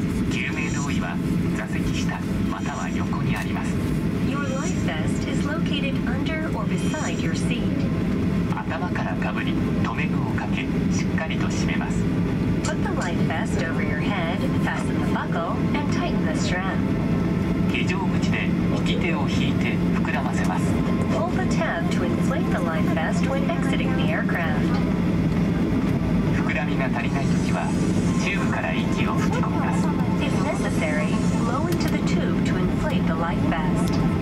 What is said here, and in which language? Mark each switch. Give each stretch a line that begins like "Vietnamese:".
Japanese: 救命胴衣は座席下または横にあります。
English: Your life vest is located under or beside your seat.
Japanese: 頭からかぶり、留め具をかけ、しっかりと締めます。
English: Put the life vest over your head, fasten the buckle, and tighten the strap.
Japanese: 非常口で引き手を引いて膨らませます。
English: Pull the tab to inflate the life vest when exiting the aircraft.
Japanese: が足りないときはチューブから息を吹き込みます。
English: If necessary, blow into the tube to inflate the life vest.